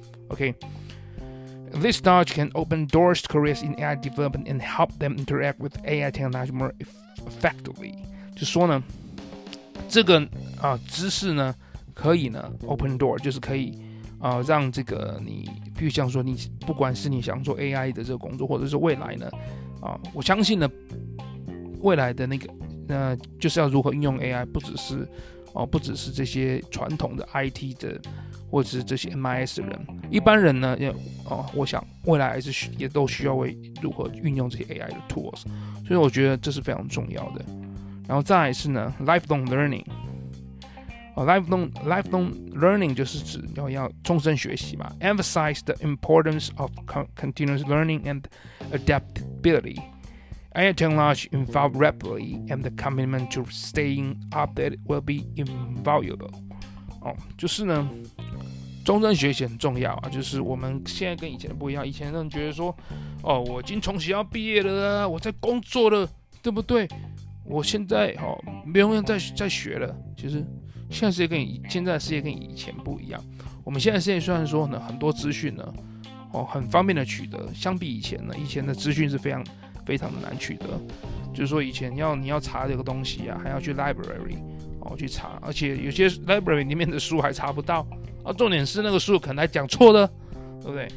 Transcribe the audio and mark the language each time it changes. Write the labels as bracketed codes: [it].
[en] OK, this knowledge can open doors to careers in AI development and help them interact with AI technology more effectively. [zh] 就说呢，这个知识呢。可以呢 ， [en] open door [zh] 就是可以，让这个你，比如像说你，不管是你想做 AI 的这个工作，或者是未来呢，我相信呢，未来的那个，就是要如何运用 AI， 不只是这些传统的 IT 的，或者是这些 MIS 的人，一般人呢，我想未来也都需要为如何运用这些 AI 的 tools， 所以我觉得这是非常重要的。然后再来是呢 ，lifelong learning。Lifelong learning 就是指要终身学习嘛。 [en] Emphasize the importance of continuous learning and adaptability. AI technology involved rapidly, and the commitment to staying updated will be invaluable. [zh] 就是呢，终身学习很重要啊。就是我们现在跟以前不一样，以前人觉得说，我已经从学校毕业了，我在工作了，对不对？我现在没有人在学了，其实。现在的世界跟以前不一样，我们现在世界虽然说呢很多资讯呢，很方便的取得，相比以前呢，以前的资讯是非常非常的难取得，就是说以前你要查这个东西啊，还要去 library 去查，而且有些 library 里面的书还查不到啊，重点是那个书可能还讲错的，对不对？